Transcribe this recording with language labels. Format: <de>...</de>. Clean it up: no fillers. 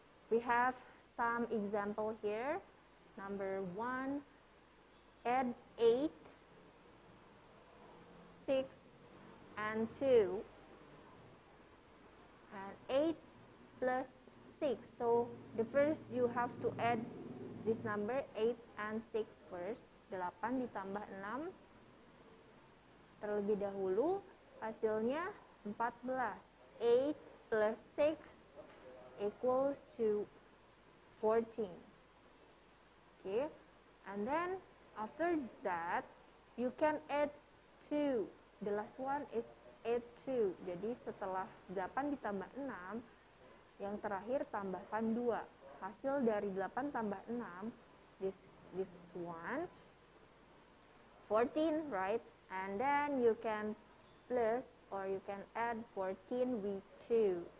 <en>We have some example here. Number 1, add 8, 6, and 2. And 8 plus 6. So the first you have to add this number, 8 and 6 first.</en> <id>8 ditambah 6 terlebih dahulu hasilnya 14.</id> <en>8 plus 6 equals to 14. Okay, and then after that you can add 2. The last one is add 2.</en> <id>Jadi setelah 8 ditambah 6 yang terakhir tambahkan 2. Hasil dari 8 tambah 6</id> <en>this one 14, right? And then you can plus or you can add 14 with 2.</en>